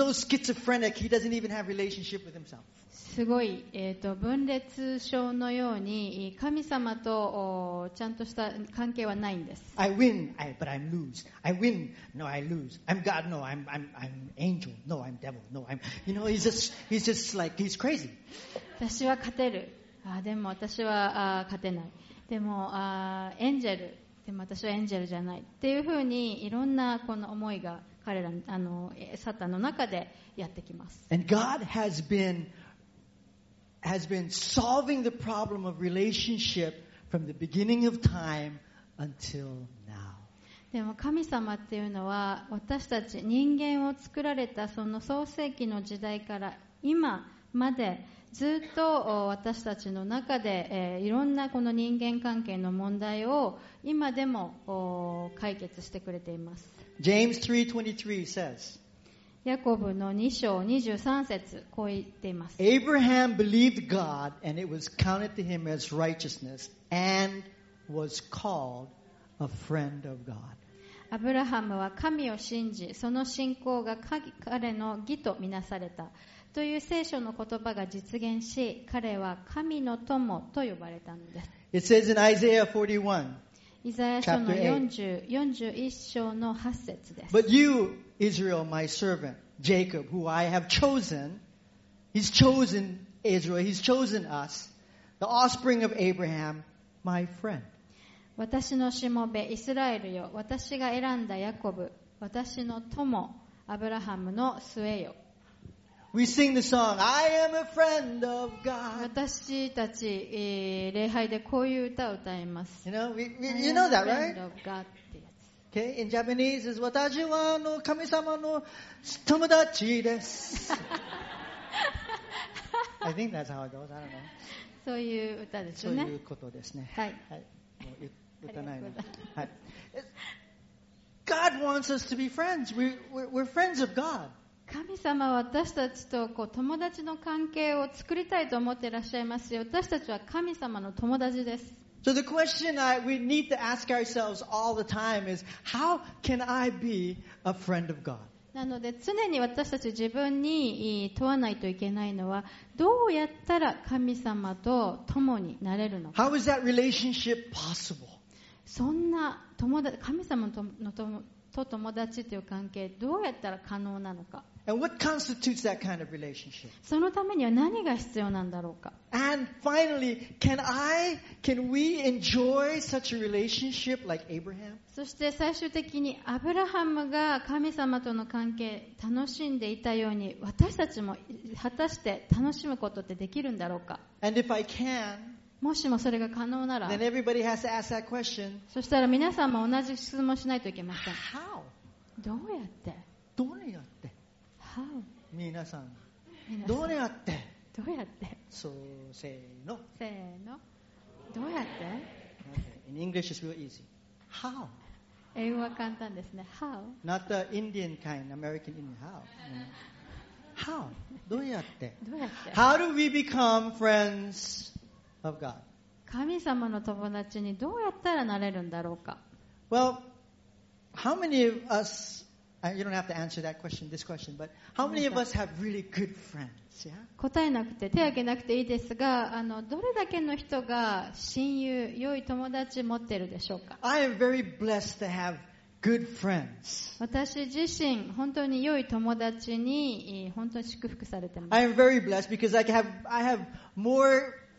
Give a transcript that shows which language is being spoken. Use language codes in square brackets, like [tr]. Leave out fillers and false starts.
[en] He's so schizophrenic, he doesn't even have relationship with himself. [ja] すごい、分裂症のように神様とちゃんとした関係はないんです。 [en] I win, but I lose. I win, no, I lose. I'm God, no, I'm angel. No, I'm devil. No, I'm, you know, he's just like, he's crazy. [ja] 私は勝てる。でも私は勝てない。でもエンジェル。でも私はエンジェルじゃないっていうふうにいろんなこの思いが彼らサタンの中でやってきます。 [en] And God has been solving the problem of relationship from the beginning of time until now. [ja] でも神様っていうのは私たち人間を作られたその創世記の時代から今までずっと私たちの中でいろんなこの人間関係の問題を今でも解決してくれています。 [en] James 3:23 says、 [ja] ヤコブの2章23節こう言っています。 [en] Abraham believed God and it was counted to him as righteousness and was called a friend of God。 [ja] アブラハムは神を信じその信仰が彼の義とみなされたという聖書の言葉が実現し、彼は神の友と呼ばれたのです。 [en] It says in Isaiah 41, [ja] イザヤ書の41章の8節です。 [en] But you, Israel, my servant, Jacob, who I have chosen, he's chosen Israel, he's chosen us, the offspring of Abraham, my friend. [ja] 私のしもべ、イスラエルよ、私が選んだヤコブ、私の友、アブラハムの末よ。 [en] We sing the song, I am a friend of God. [ja] 私たち、礼拝でこういう歌を歌います。 [en] You know, you know that, right? I am a friend of God [ja] ってやつ。 [en] Okay, in Japanese is [ja] 私はあの神様の友達です。 [en] I think that's how it goes, I don't know. [ja] そういう歌ですね。そういうことですね。はい。はい、もう歌わないので。はい。 [en] God wants us to be friends. We're friends of God. [ja] 神様は私たちとこう友達の関係を作りたいと思っていらっしゃいますよ。私たちは神様の友達です。 [en] So the question we need to ask ourselves all the time is, how can I be a friend of God? [ja] なので常に私たち自分に問わないといけないのは、どうやったら神様と共になれるのか。 [en] How is that relationship possible? [ja] そんな神様の友達と友達という関係どうやったら可能なのか。 [en] And what constitutes that kind of relationship? [ja] そのためには何が必要なんだろうか。 [en] And finally, can we enjoy such a relationship like Abraham? [ja] そして最終的にアブラハムが神様との関係楽しんでいたように私たちも果たして楽しむことってできるんだろうか。 [en] And if I can, [ja] もしもそれが可能なら、 [en] Then everybody has to ask that question. [ja] そしたら皆さんも同じ質問しないといけません。 [en] How? [ja] どうやって？どうやって？ [en] How? [ja] 皆さん、どうやって？どうやって？そう、せーの。せーの。どうやって [en] ？ In English is real easy. How? [ja] 英語は簡単ですね。 [en] How? Not the Indian kind, American Indian. How? How? [ja] どうやって？どうやって [en] ？How do we become friends? Of God. [ja] 神様の友達にどうやったらなれるんだろうか。 [en] Well, how many of us, you don't have to answer that question, this question, but how many of us have really good friends? Yeah? [ja] 答えなくて、手挙げなくていいですが、どれだけの人が親友、良い友達持ってるでしょうか。 [en] I am very blessed to have good friends. [ja] 私自身、本当に良い友達に本当に祝福されてます。 [en] I am very blessed because I have more